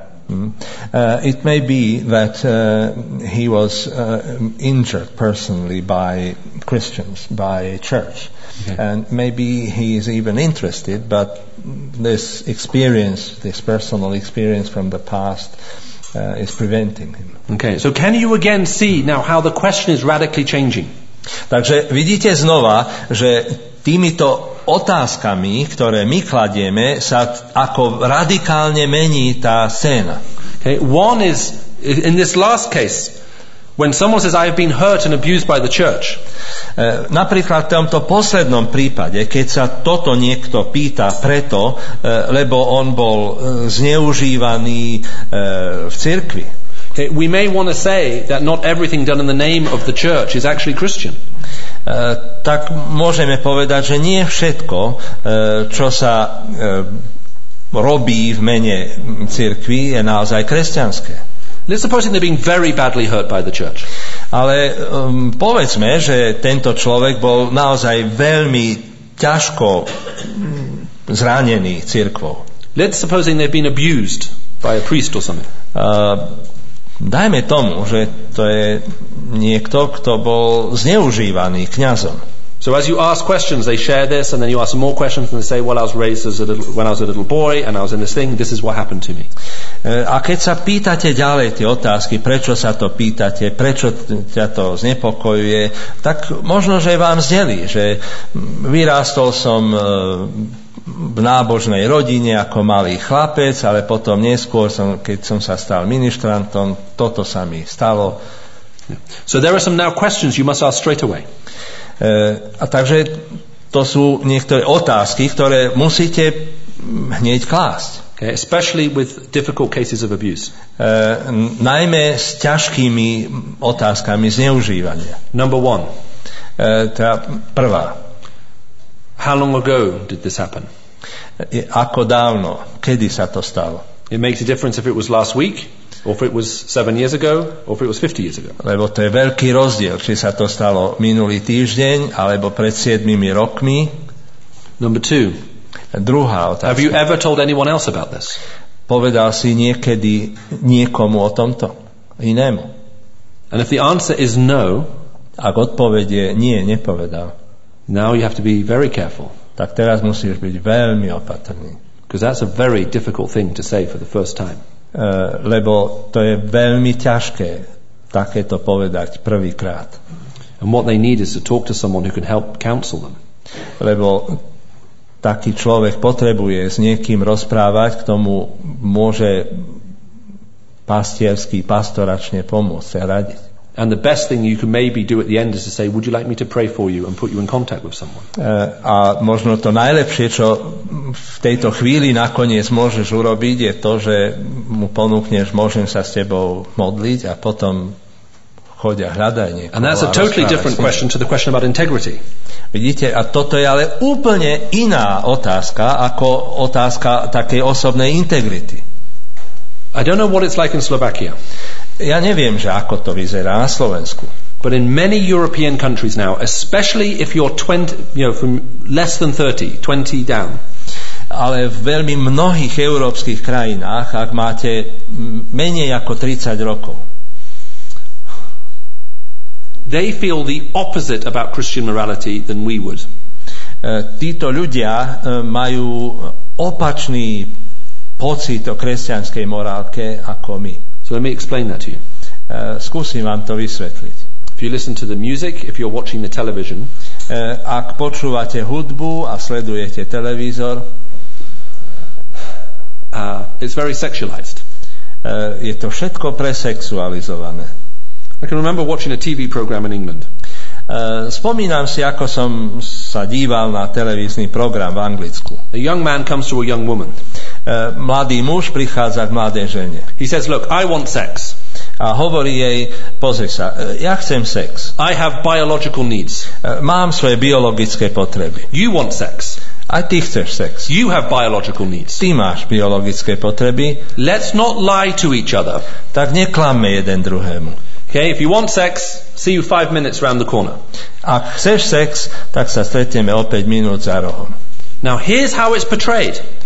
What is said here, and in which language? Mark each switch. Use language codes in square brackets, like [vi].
[en] It may be that he was injured personally by Christians, by church. Okay. And maybe he is even interested, but this experience, this personal experience from the past is preventing him. Okay, so can you again see now how the question is radically changing? [sk] Takže vidíte znova, že týmito otázkami, ktoré my kladieme, sa ako radikálne mení tá scéna. [en] Okay. One is in this last case when someone says I have been hurt and abused by the church. [sk] Napríklad v tomto poslednom prípade, keď sa toto niekto pýta preto, lebo on bol zneužívaný v cirkvi. [en] Okay. We may want to say that not everything done in the name of the church is actually Christian. [sk] Tak môžeme povedať, že nie všetko, čo sa robí v mene cirkvi, je naozaj kresťanské. [en] Let's suppose they're being very badly hurt by the church. [sk] Ale povedzme, že tento človek bol naozaj veľmi ťažko zranený cirkvou. [en] Let's suppose they've been abused by a priest or something. [sk] Dajme tomu, že to je niekto, kto bol zneužívaný kňazom. [en] So as you ask questions, they share this, and then you ask some more questions, and they say, well, I was raised as a little, when I was a little boy, and I was in this thing, this is what happened to me. [sk] A keď sa pýtate ďalej tie otázky, prečo sa to pýtate, prečo ťa to znepokojuje, tak možno, že vám zdelí, že vyrástol som v nábožnej rodine ako malý chlapec, ale potom neskôr, keď som sa stal ministrantom, toto sa mi stalo. [en] So there are some now questions you must ask straight away. [sk] A takže to sú niektoré otázky, ktoré musíte hneď klásť. [en] Okay, especially with difficult cases of abuse. [sk] Najmä s ťažkými otázkami zneužívania. [en] Number one. [sk] Tá prvá. [en] How long ago did this happen? [sk] Ako dávno, kedy sa to stalo? [en] It makes a difference if it was last week. Or if it was 7 years ago, or if it was 50 years ago. [sk] Lebo to je veľký rozdiel, či sa to stalo minulý týždeň, alebo pred 7 rokmi. [en] Number two. [sk] Druhá otázka. [en] Have you ever told anyone else about this? [sk] Povedal si niekedy niekomu o tomto? Inému? [en] And if the answer is no, [sk] ak odpoveď je nie, nepovedal. [en] Now you have to be very careful. [sk] Tak teraz musíš byť veľmi opatrný. [en] Because that's a very difficult thing to say for the first time. [sk] Lebo to je veľmi ťažké takéto povedať prvýkrát. [en] And what they need is to talk to someone who can help counsel them. [sk] Lebo taký človek potrebuje s niekým rozprávať, k tomu môže pastiersky, pastoračne pomôcť a radiť. [en] And the best thing you can maybe do at the end is to say, would you like me to pray for you and put you in contact with someone? [sk] A možno to najlepšie, čo v tejto chvíli nakoniec môžeš urobiť, je to, že mu ponúkneš, môžem sa s tebou modliť a potom choď a hľadaj niekoho. [en] And that's a totally different question to the question about integrity. [sk] Vidíte, a toto je ale úplne iná otázka ako otázka takej osobnej integrity. [en] I don't know what it's like in Slovakia. [sk] Ja neviem, že ako to vyzerá na Slovensku. [en] But in many European countries now, especially if you're 20, you know, from less than 30, 20 down. [sk] Ale v veľmi mnohých európskych krajinách, ak máte menej ako 30 rokov. [en] They feel the opposite about Christian morality than we would. [sk] Títo ľudia majú opačný pocit o kresťanskej morálke ako my. [en] So let me explain that to you. [sk] Skúsim vám to vysvetliť. [en] If you listen to the music, if you're watching the television, [sk] ak počúvate hudbu a sledujete televízor, [en] it's very sexualized. [sk] Je to všetko presexualizované. [en] I can remember watching a TV program in England. [sk] Spomínam si, ako som sa díval na televízny program v Anglicku. [en] A young man comes to a young woman. [sk] Mladý muž prichádza k mladej žene. [en] He says, look, I want sex. [sk] A hovorí jej, pozri sa, ja chcem sex. [en] I have biological needs. [sk] Mám svoje biologické potreby. [en] You want sex. [sk] A ty chceš sex. [en] You have biological needs. [sk] Ty máš biologické potreby. [en] Let's not lie to each other. [sk] Tak neklamme jeden druhému. [en] Okay, if you want sex, see you 5 minutes around the corner. [sk] Ak chceš sex, tak sa stretneme o 5 minút za rohom. [en] Now here's how it's portrayed.